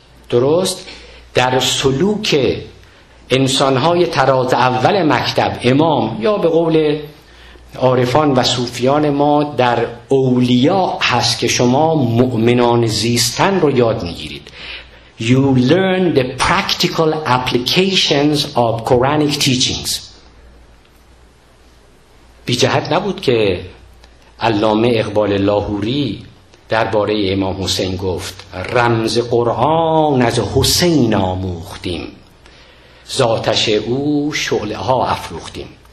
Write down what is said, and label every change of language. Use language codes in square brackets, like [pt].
[fa] درست؟ در سلوک انسانهای تراز اول مکتب، امام، یا به قول عارفان و صوفیان ما در اولیا هست که شما مؤمنان زیستن رو یاد میگیرید. [en] You learn the practical applications of Quranic teachings. [fa] بی جهت نبود که علامه اقبال لاهوری درباره امام حسین گفت: رمز قرآن از حسین آموختیم، ذاتش او شعله ها افروختیم.